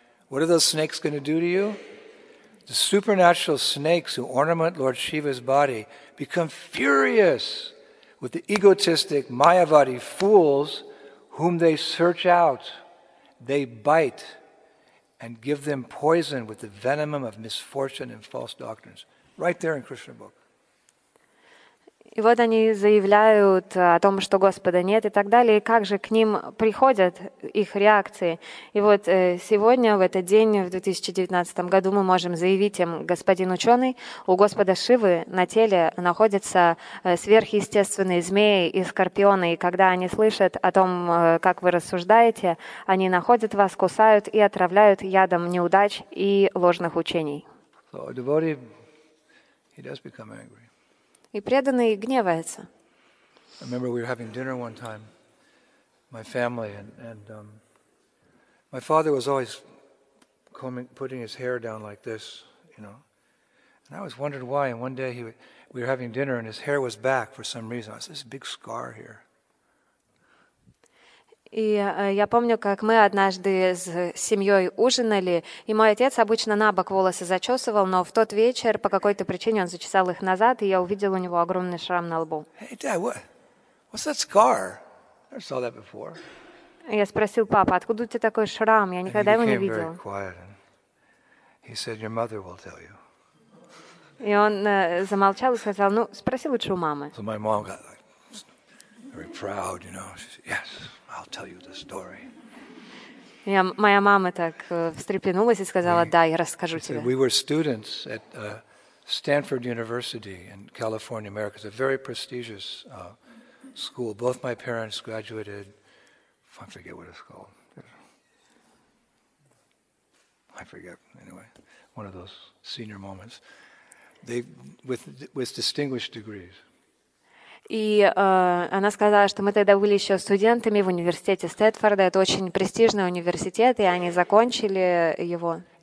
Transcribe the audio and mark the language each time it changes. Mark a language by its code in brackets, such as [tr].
[en] What are those snakes going to do to you? The supernatural snakes who ornament Lord Shiva's body become furious with the egotistic Mayavadi fools whom they search out. They bite and give them poison with the venom of misfortune and false doctrines. Right there in Krishna book. [ru] И вот они заявляют о том, что Господа нет и так далее. И как же к ним приходят их реакции? И вот сегодня, в этот день, в 2019 году, мы можем заявить им, господин ученый, у Господа Шивы на теле находятся сверхъестественные змеи и скорпионы. И когда они слышат о том, как вы рассуждаете, они находят вас, кусают и отравляют ядом неудач и ложных учений. [en] So a devotee, he does become angry. [ru] И преданный гневается. [en] I remember we were having dinner one time, my family, and my father was always putting his hair down like this, you know. And I was wondering why, and one day we were having dinner and his hair was back for some reason. I said, there's a big scar here. [ru] И я помню, как мы однажды с семьей ужинали, и мой отец обычно на бок волосы зачесывал, но в тот вечер по какой-то причине он зачесал их назад, и я увидел у него огромный шрам на лбу. [en] Hey, Dad, what's that scar? I never saw that before. [ru] Я спросил папа, откуда у тебя такой шрам? Я никогда его не видел. [en] And he became very quiet, and he said, "Your mother will tell you." [ru] И он замолчал и сказал, ну, спроси лучше у мамы. [en] So my mom got like, very proud, you know. She said, "Yes." I'll tell you the story. [ru] Я, моя мама так встрепенулась и сказала: "Да, я расскажу тебе." [en] We were students at Stanford University in California, America. It's a very prestigious school. Both my parents graduated. I forget what it's called. I forget. Anyway, one of those senior moments. with distinguished degrees. [ru] И она сказала, что мы тогда были еще студентами в университете Стэнфорда. Это очень престижный университет, и они закончили его.